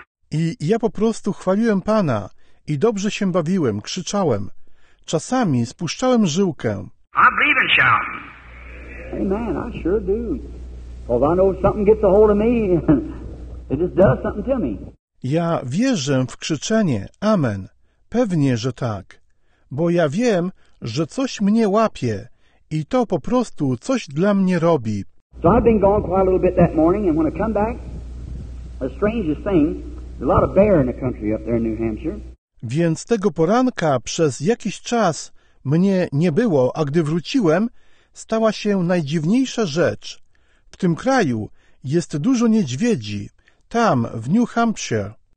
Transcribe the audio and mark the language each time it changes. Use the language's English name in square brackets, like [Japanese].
[Polish] I ja po prostu chwaliłem Pana i dobrze się bawiłem, krzyczałem. Czasami spuszczałem żyłkę. [English] I believe in shouting. Amen, I sure do. Because I know something gets a hold of me. It just does something to me. [Polish] Ja wierzę w krzyczenie. Amen. Pewnie, że tak. Bo ja wiem, że coś mnie łapie i to po prostu coś dla mnie robi. [English] So I've been gone quite a little bit that morning, and when I come back, the strangest thing, a lot of bear in the country up there in New Hampshire. [Polish] Więc tego poranka przez jakiś czas mnie nie było, a gdy wróciłem, stała się najdziwniejsza rzecz. W tym kraju jest dużo niedźwiedzi. Tam, w New Hampshire.